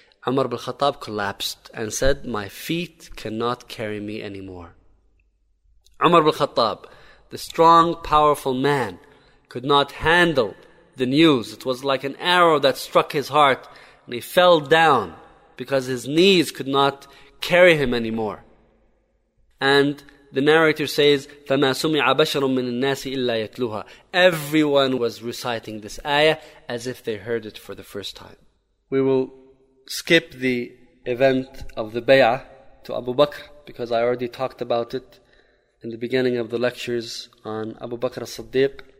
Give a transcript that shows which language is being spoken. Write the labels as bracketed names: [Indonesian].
[English] Umar ibn al-Khattab collapsed and said, "My feet cannot carry me anymore." Umar ibn al-Khattab, the strong, powerful man, could not handle the news. It was like an arrow that struck his heart, and he fell down because his knees could not carry him anymore. And the narrator says, [Arabic] فَمَا سُمِعَ بَشَرٌ مِّنَ النَّاسِ إِلَّا يَتْلُوهَا. [English] Everyone was reciting this ayah as if they heard it for the first time. We will skip the event of the bay'ah to Abu Bakr because I already talked about it in the beginning of the lectures on Abu Bakr as-Siddiq.